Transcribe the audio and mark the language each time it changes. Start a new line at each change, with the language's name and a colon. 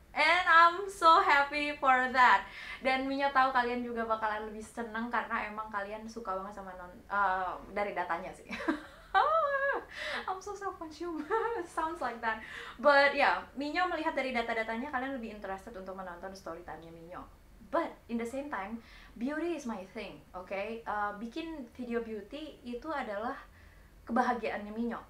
English: And I'm so happy for that.
Indonesian: Dan Minyo tahu kalian juga bakalan lebih seneng karena emang kalian suka banget sama dari datanya sih.
English: I'm so self-consumed. Sounds like that. But yeah,
Indonesian: Minyo melihat dari data-datanya kalian lebih interested untuk menonton story time-nya Minyo.
English: But in the same time, beauty is my thing, okay?
Indonesian: Bikin video beauty itu adalah kebahagiaannya Minyo.